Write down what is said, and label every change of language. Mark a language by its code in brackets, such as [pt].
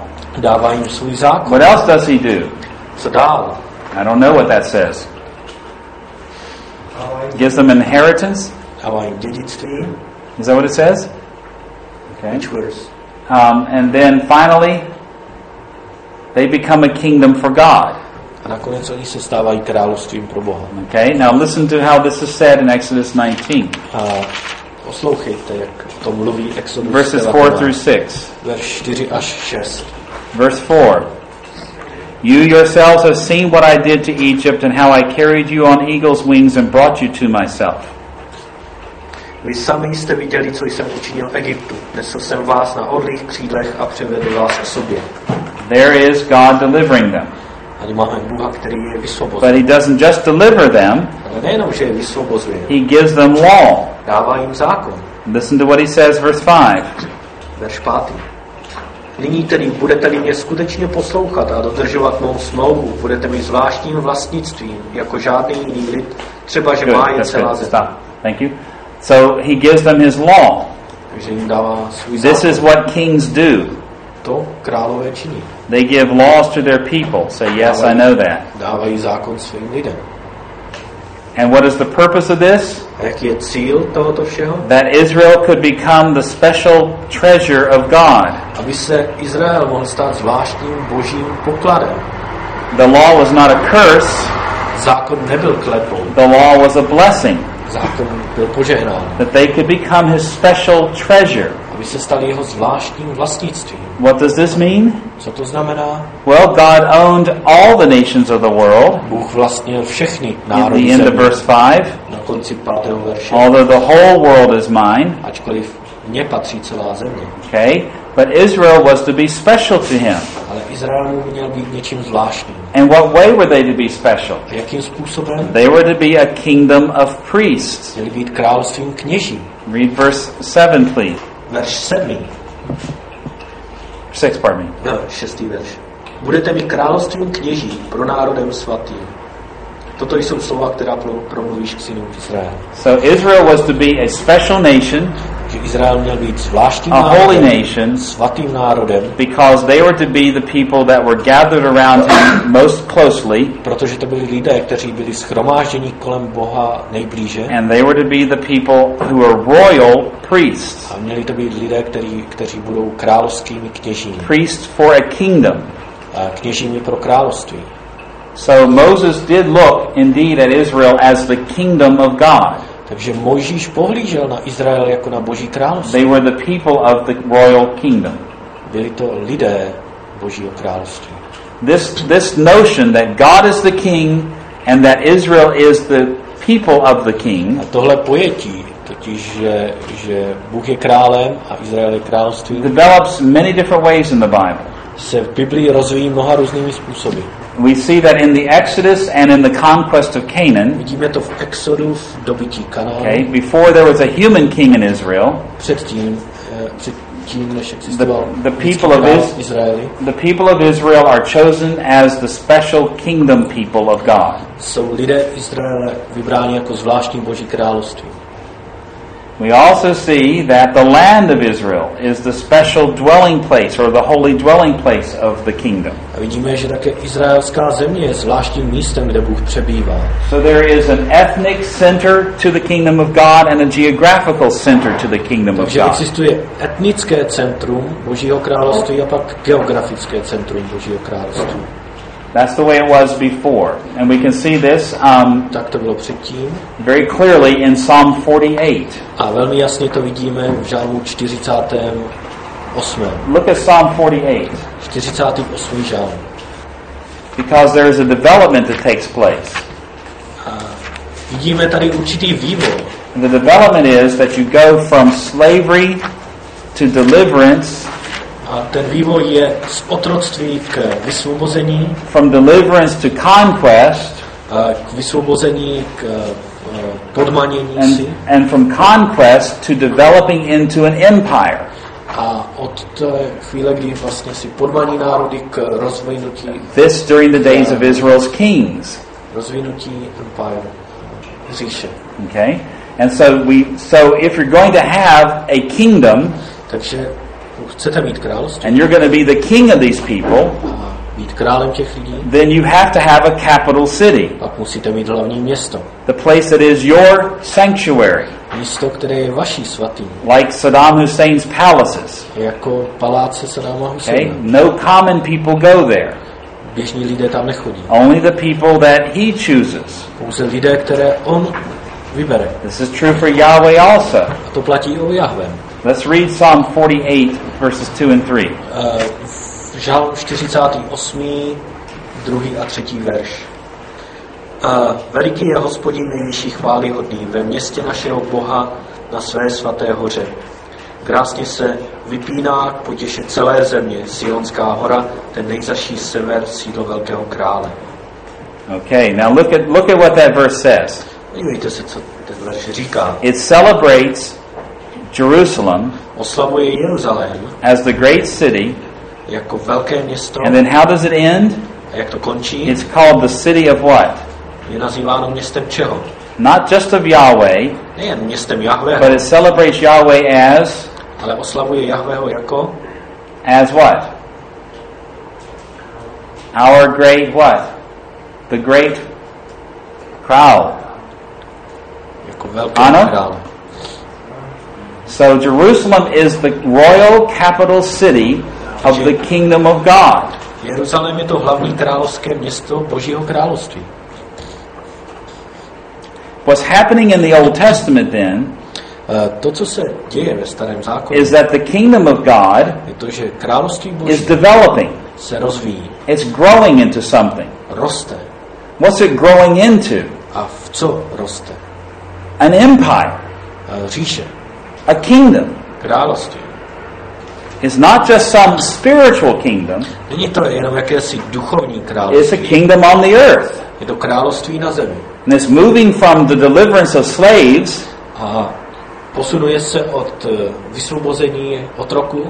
[en] What else does he do? I don't know what that says. Gives them inheritance. Is that what it says? Okay. Which words? And then finally, they become a kingdom for God. [cs] A nakonec oni se stávají královstvím pro Boha. [en] Okay, now listen to how this is said in Exodus 19. [cs] Poslouchejte, jak to mluví Exodus. [en] Verses 4 through 6. [cs] Verš 4 až 6. [en] Verse 4. You yourselves have seen what I did to Egypt and how I carried you on eagle's wings and brought you to myself. [cs] Vy sami jste viděli, co jsem učinil Egyptu. Nesl jsem vás na orlých křídlech a převedl vás k sobě. [en] There is God delivering them. [cs] A máme Boha, který je vysvobozuje. [en] But he doesn't just deliver them. [cs] Ale nejenom, že je vysvobozuje. [en] He gives them law. [cs] Dává jim zákon. [en] Listen to what he says, verse 5. [cs] Verš 5. Nyní tedy budete-li mě skutečně poslouchat a dodržovat mou smlouvu, budete mi zvláštním vlastnictvím, jako žádný jiný lid, třeba, že [en] good, [cs] má je celá země. [en] Stop. Thank you. So he gives them his law. This is what kings do. [cs] To králové činí. [en] They give laws to their people. Say, yes, I know that. [cs] Dávají zákon svým lidem. [en] And what is the purpose of this? [cs] Jaký je cíl tohoto všeho? [en] That Israel could become the special treasure of God. [cs] Aby se Izrael mohl stát zvláštním božím pokladem. [en] The law was not a curse. [cs] Zákon nebyl kletbou. [en] The law was a blessing. [cs] Zákon byl požehnán. [en] That they could become his special treasure. [cs] Aby se stali jeho zvláštním vlastnictvím. [en] What does this mean? [cs] Co to znamená? [en] Well, God owned all the nations of the world. [cs] Bůh vlastnil všechny národy země. [en] In the end of verse 5. [cs] Na konci 5. verše. [en] Although the whole world is mine. [cs] Ačkoliv mně patří celá země. [en] Okay, but Israel was to be special to him. [cs] Ale Izrael měl být něčím zvláštním. [en] And what way were they to be special? [cs] A jakým způsobem? [en] They were to be a kingdom of priests. [cs] Měli být královstvím kněží. [en] Read verse 7, please. [cs] Verš 7. [en] 6, pardon me. [cs] No, 6. verš. Budete mi královstvím kněží pro národem svatým. Toto jsou slova, která promluvíš k synům Izraela. [en] So Israel was to be a special nation. [cs] Izrael měl být zvláštním a národem, [en] holy nation, [cs] svatým národem, [en] because they were to be the people that were gathered around him most closely, [cs] protože to byli lidé, kteří byli shromážděni kolem Boha nejblíže, [en] and they were to be the people who were royal priests, [cs] a měli to být lidé, kteří budou královskými kněžími, [en] priests for a kingdom, [cs] a kněžími pro království. [en] So Moses did look indeed at Israel as the kingdom of God. [cs] Takže Mojžíš pohlížel na Izrael jako na Boží království. [en] They were the people of the royal kingdom. [cs] Byli to lidé Božího království. [en] This notion that God is the king and that Israel is the people of the king. [cs] A tohle pojetí, totiž že Bůh je králem a Izrael je království. [en] Develops many different ways in the Bible. [cs] Se v Biblii rozvíjí mnoha různými způsoby. [en] We see that in the Exodus and in the conquest of Canaan. [cs] Vidíme to v Exodu, v dobytí Kanaánu. [en] Okay, before there was a human king in Israel. [cs] Předtím, než existoval [en] the people of Israel. The people of Israel are chosen as the special kingdom people of God. [cs] Jsou lidé Izraele vybráni jako zvláštní Boží království. [en] We also see that the land of Israel is the special dwelling place or the holy dwelling place of the kingdom. [cs] A vidíme, že také izraelská země je zvláštním místem, kde Bůh přebývá. [en] So there is an ethnic center to the kingdom of God and a geographical center to the kingdom of God. [cs] Takže existuje etnické centrum Božího království a pak geografické centrum Božího království. [en] That's the way it was before. And we can see this [cs] tak to bylo předtím. [en] Very clearly in Psalm 48. [cs] A velmi jasně to vidíme v žalmu 48. [en] Look at Psalm 48. [cs] 48. žalm. [en] Because there is a development that takes place. [cs] Vidíme tady určitý vývoj. [en] And the development is that you go from slavery to deliverance. [cs] A ten vývoj je z otroctví k vysvobození. [en] From deliverance to conquest. [cs] K vysvobození, k podmanění si. [en] And from conquest to developing into an empire. [cs] A od té chvíle, kdy vlastně si podmaní národy k rozvinutí. [en] This during the days of Israel's kings. [cs] Rozvinutí [en] empire. [cs] Říše. [en] Okay. And so if you're going to have a kingdom, [cs] takže chcete mít království, [en] and you're going to be the king of these people, [cs] být králem těch lidí, [en] then you have to have a capital city. [cs] Pak musíte mít hlavní město. [en] The place that is your sanctuary. [cs] Místo, které je vaší svatý. [en] Like Saddam Hussein's palaces. [cs] Jako paláce Saddama Husseina. [en] Okay? No common people go there. [cs] Běžní lidé tam nechodí. [en] Only the people that he chooses. [cs] Pouze lidé, které on vybere. [en] This is true for Yahweh also. [cs] A to platí o Jahvem. [en] Let's read Psalm 48, verses 2 and 3. [cs] Žalm 48, 2. a 3. verš. Veliký je Hospodin nejvyšší chválihodný ve městě našeho Boha na své svaté hoře. Krásně se vypíná k potěše celé země, Sionská hora, ten nejzaší sever, sídlo velkého krále. [en] Okay, now look at what that verse says. [cs] Dívejte se, co ten verš říká. [en] It celebrates Jerusalem, [cs] oslavuje Jeruzalém, [en] as the great city, [cs] jako velké město. [en] And then how does it end? [cs] A jak to končí? [en] It's called the city of what? [cs] Je nazýváno městem čeho? [en] Not just of Yahweh, [cs] nejen městem Jahveho, [en] but it celebrates Yahweh as, [cs] ale oslavuje Jahveho jako, [en] as what? Our great what? The great crowd. [cs] Jako velký král. [en] So Jerusalem is the royal capital city of the kingdom of God. [cs] Jeruzalém je to hlavní královské město Božího království. [en] What's happening in the Old Testament then? [cs] To, co se děje ve starém zákoně, [en] is that the kingdom of God, [cs] je to, že království Boží, [en] is developing. [cs] Se rozvíjí. [en] It's growing into something. [cs] Roste. [en] What's it growing into? [cs] A v co roste? [en] An empire. [cs] Říše. [en] A kingdom. [cs] Království. [en] It's not just some spiritual kingdom. [cs] Není to jenom jakési duchovní království. [en] It's a kingdom on the earth. [cs] Je to království na zemi. [en] And it's moving from the deliverance of slaves. [cs] A posunuje se od vysvobození otroků.